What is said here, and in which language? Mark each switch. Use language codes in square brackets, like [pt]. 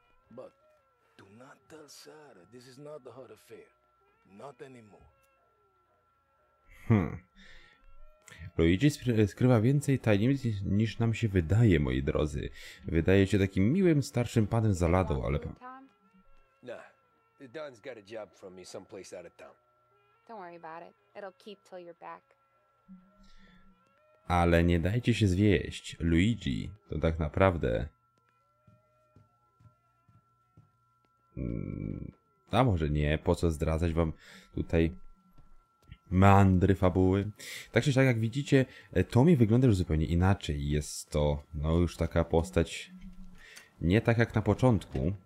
[en] But do not tell Sarah this is not the hot affair. Not anymore. [pl] Luigi skrywa więcej tajemnic niż nam się wydaje, moi drodzy. Wydaje się takim miłym starszym panem za ladą, ale. [en] Nah. Don's got a job for me someplace out of town. Don't worry about it. It'll keep till you're back. [pl] Ale nie dajcie się zwieść, Luigi, to tak naprawdę... A może nie, po co zdradzać wam tutaj meandry fabuły? Tak czy tak, jak widzicie, Tommy wygląda już zupełnie inaczej. Jest to, no już taka postać, nie tak jak na początku.